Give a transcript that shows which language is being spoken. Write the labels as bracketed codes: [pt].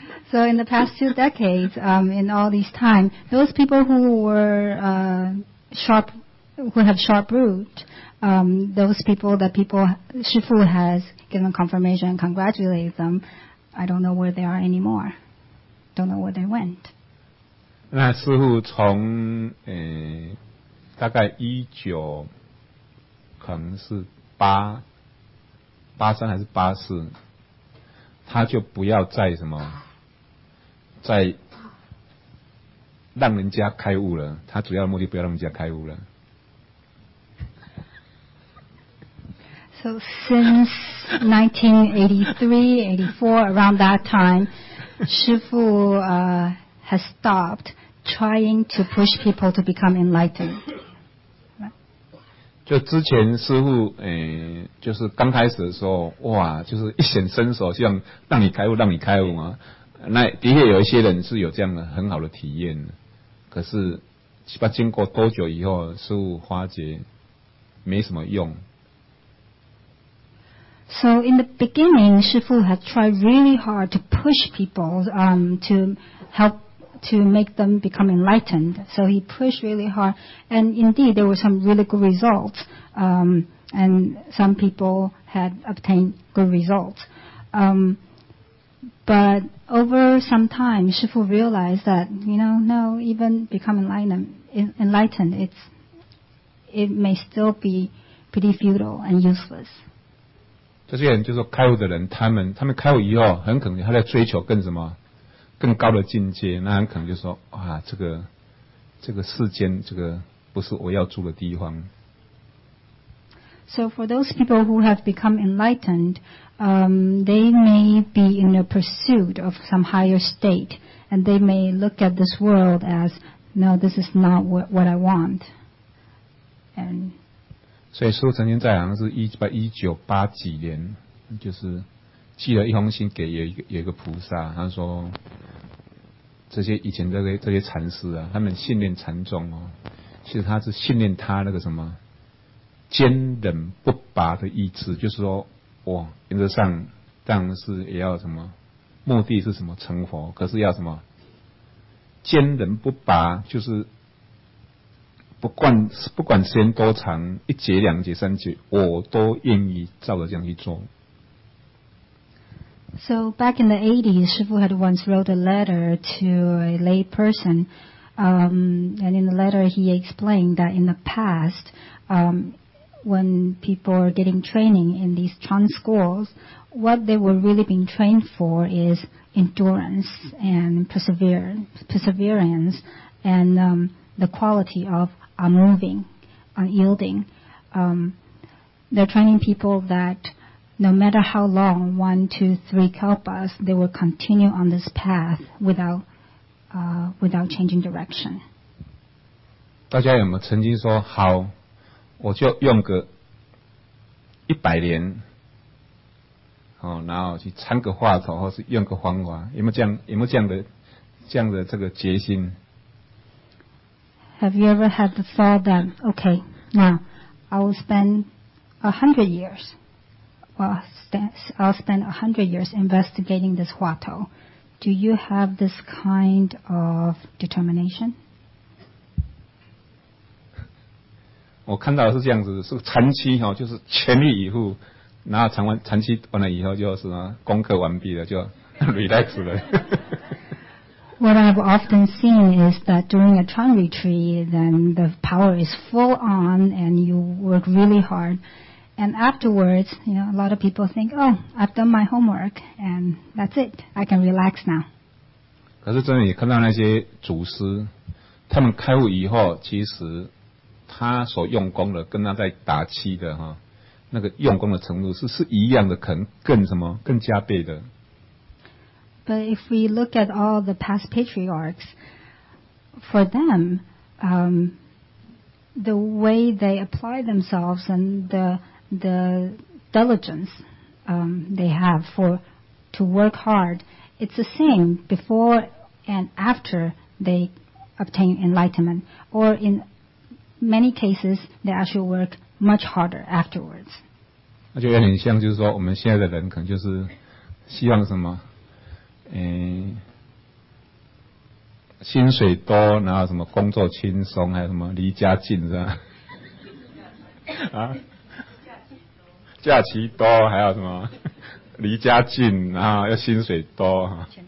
[en] So in the past two decades, in all these time, those people who were sharp, who have sharp root, those people that people 师父 has given confirmation and congratulated them. I don't know where they are anymore. Don't know where they went. [zh] 那师父从大概可能是83还是84，他就不要再什么再让人家开悟了。他主要的目的不要让人家开悟了。 [en] So since 1983, 84, around that time, 师父has stopped trying to push people to become enlightened. [zh] 就之前师父就是刚开始的时候，哇，就是一显身手，希望让你开悟，让你开悟嘛。那的确有一些人是有这样的很好的体验，可是不知道经过多久以后，师父发觉没什么用。 [en] So in the beginning, Shifu had tried really hard to push people to help to make them become enlightened. So he pushed really hard, and indeed there were some really good results, and some people had obtained good results. But over some time, Shifu realized that, you know, no, even become enlightened, it may still be pretty futile and useless. [zh] 这些人就是开悟的人，他们开悟以后，很可能他在追求更什么更高的境界，那很可能就说啊，这个世间这个不是我要住的地方。 [en] So for those people who have become enlightened, they may be in a pursuit of some higher state, and they may look at this world as no, this is not what I want, and. [zh] 所以师父曾经在好像是1980几年，就是寄了一封信给有一个菩萨，他说这些以前这些禅师啊，他们信念禅宗哦，其实他是信念他那个什么坚忍不拔的意志，就是说哇，原则上当然是也要什么目的是什么成佛，可是要什么坚忍不拔，就是。不管时间多长，一节两节三节，我都愿意照着这样去做。 [en] So back in the 80s, 师父 had once wrote a letter to a lay person, and in the letter he explained that in the past, when people are getting training in these Chan schools, what they were really being trained for is endurance and perseverance and the quality of are moving, are yielding. They're training people that no matter how long, 1, 2, 3 kalpas, they will continue on this path without changing direction. [zh] 大家有没有曾经说好，我就用个100年，然后去参个话头，或是用个方法，有没有这样的这个决心？ [en] Have you ever had the thought that, okay, now, I will spend 100 years, I'll spend 100 years investigating this huatou. Do you have this kind of determination? [zh] 我看到的是这样子，是禅期，就是全力以赴，然后禅期完了以后，就是功课完毕了，就 relax 了。 [en] What I've often seen is that during a Chan retreat, then the power is full on and you work really hard. And afterwards, you know, a lot of people think, oh, I've done my homework and that's it. I can relax now. [zh] 可是真的也看到那些祖师，他们开悟以后，其实他所用功的跟他在打气的那个用功的程度是一样的，可能更什么，更加倍的。 [en] But if we look at all the past patriarchs, for them, the way they apply themselves and the diligence they have to work hard, it's the same before and after they obtain enlightenment. Or in many cases, they actually work much harder afterwards. [zh] 那就有点像就是说我们现在的人可能就是希望什么薪水多，然后什么工作轻松，还有什么离家近是吧？啊，假期多，还有什么离家近，然后要薪水多，